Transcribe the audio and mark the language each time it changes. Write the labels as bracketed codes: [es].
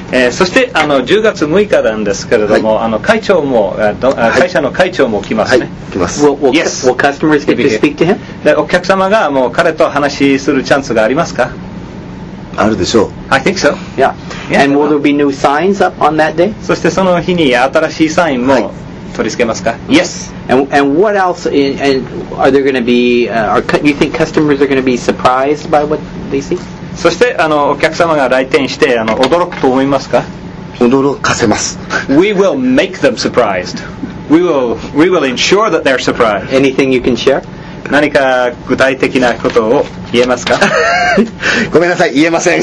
[ja] そしてあの10月6日なんですけれども、はい、あの会長も、会社の会長も来ますね。はい、来ます。 [en] Yes. Will customers get to speak to him? [ja] お客様がもう彼と話しするチャンスがありますか？あるでしょう。 [en] I think so. Yeah. And will there be new signs up on that day? [ja] そしてその日に新しいサインも取り付けますか? [en] Yes. And what else? And are there going to be? Are you think customers are going to be surprised by what they see? [ja] そしてあのお客様が来店してあの驚くと思いますか? 驚かせます。 [en] We will make them surprised. We will ensure that they're surprised. Anything you can share? [ja] 何か具体的なことを言えますか？ごめんなさい、言えません。